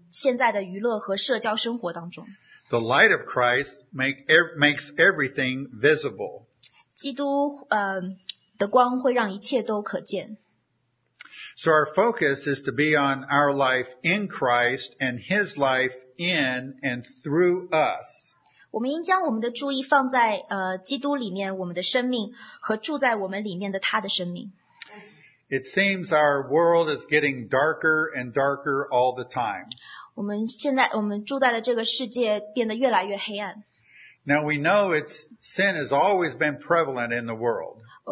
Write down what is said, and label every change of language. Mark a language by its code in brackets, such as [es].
[zh] 所以我们要这样问自己，如何将这运用在我们现在的娱乐和社交生活当中？ [en] The light of Christ makes everything visible. [zh] 基督的光会让一切都可见。 [en] So our focus is to be on our life in Christ and His life in and through us. [zh] 我们应将我们的注意放在基督里面，我们的生命和住在我们里面的他的生命。 [en] It seems our world is getting darker and darker all the time. [zh] 我们现在我们住在的这个世界变得越来越黑暗。 [en] Now we know sin has always been prevalent in the world.